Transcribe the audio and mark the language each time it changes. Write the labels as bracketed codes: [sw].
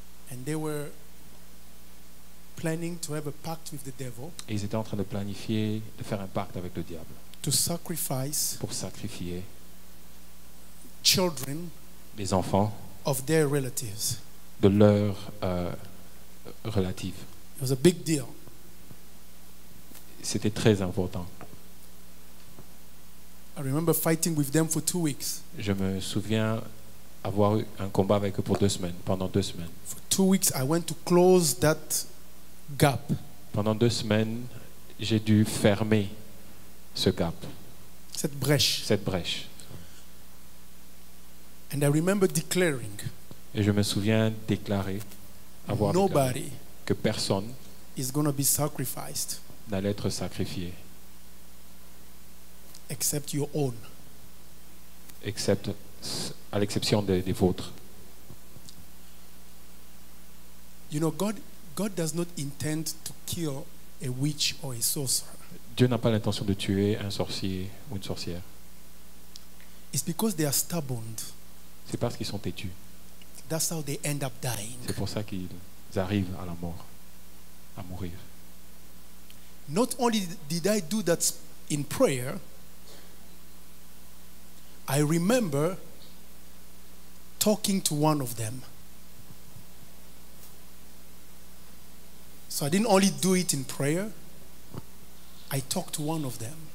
[en] And they were planning to have a pact with the devil. [fr] Et ils étaient en train de planifier de faire un pacte avec le diable. [en] To sacrifice. [fr] Pour sacrifier. [en] Children. [fr] Les enfants. [en] Of their relatives. [fr] De leurs relatives. [en] It was a big deal. [fr] C'était très important. [en] I remember fighting with them for 2 weeks. [fr] Je me souviens avoir eu un combat avec eux pendant deux semaines. [en] For 2 weeks, I went to close that gap. [fr] Pendant deux semaines, j'ai dû fermer ce gap. Cette brèche. [en] And I remember declaring. [fr] Et je me souviens déclarer avoir [en] nobody [fr] déclaré que personne [en] is going to be sacrificed. [fr] N'allait être sacrifié. [en] Except your own. [fr] Except à l'exception des vôtres. [en] You know, God does not intend to kill a witch or a sorcerer. [fr] Dieu n'a pas l'intention de tuer un sorcier ou une sorcière. [en] It's because they are stubborn. [fr] C'est parce qu'ils sont têtus. [en] That's how they end up dying. [fr] C'est pour ça qu'ils arrivent à la mort, à mourir. [en] Not only did I do that in prayer. I remember talking to one of them. So I didn't only do it in prayer. I talked to one of them.